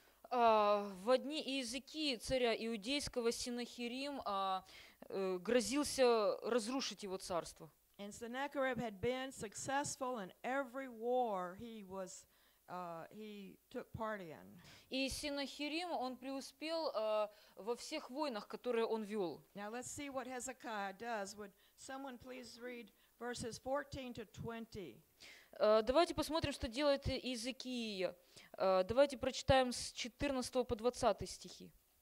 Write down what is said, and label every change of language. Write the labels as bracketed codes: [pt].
[ru] В дни Иезекии царя иудейского Сеннахерим грозился разрушить его царство. [en] And Sennacherib had been successful in every war he was he took part in. [ru] И Сеннахерим, он преуспел во всех войнах, которые он вел. [en] Now let's see what Hezekiah does. Would someone please read verses 14 to 20? [ru] Давайте посмотрим, что делает Иезекия. Давайте прочитаем с 14 по 20 стихи.